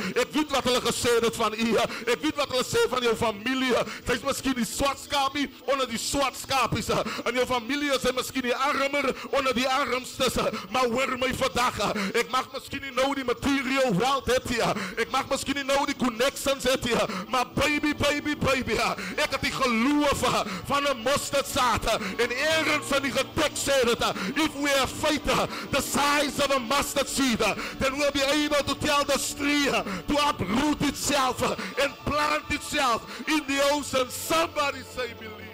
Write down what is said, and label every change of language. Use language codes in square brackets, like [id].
[af] Ek weet wat hulle gesê het van u. Ek weet wat hulle sê van jou familie. Sy is miskien die swart skapie onder die swart skapies. En jou familie is miskien die armer onder die armstes. Maar hoor my vandag. Ek mag miskien nie nou die [en] material wealth [af] het hier. Ek mag miskien nie nou die connections het hier. [en] Maar baby, baby, baby. [af] Ek het die geloof van een mosterd saad. En ergens in die gedekst sê dit. [en] If we have faith the size of a mustard seed, then we'll be able to tell the tree to uproot itself and plant itself in the ocean. Somebody say believe.